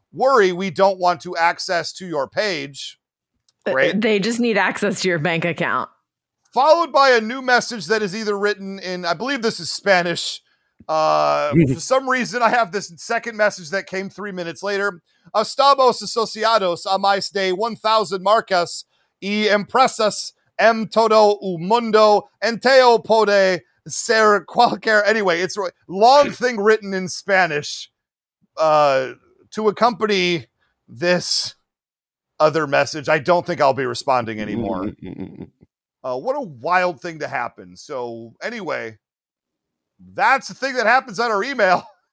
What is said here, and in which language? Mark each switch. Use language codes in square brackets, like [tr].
[en] We don't want to access to your page. Right? They just need access to your bank account. Followed by a new message that is either written in, I believe this is Spanish. For some reason, I have this second message that came 3 minutes later. [es] Estamos asociados a más de 1,000 marcas y empresas en todo el mundo. Enteo puede ser cualquier... [en] Anyway, it's a long thing written in Spanish to accompany this other message. I don't think I'll be responding anymore. What a wild thing to happen. So anyway, that's the thing that happens on our email.